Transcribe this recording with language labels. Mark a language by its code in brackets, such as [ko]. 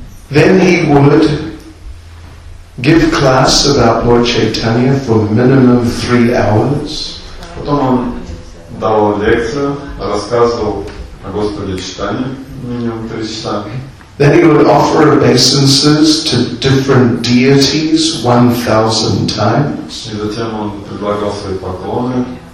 [en] Then he would give class about Lord Chaitanya for minimum 3 hours. [ru] Потом он давал лекцию, рассказывал о Господе Читании минимум 3 часа. [en] Then he would offer obeisances to different deities 1,000 times. [ru] И затем он предлагал свои поклоны.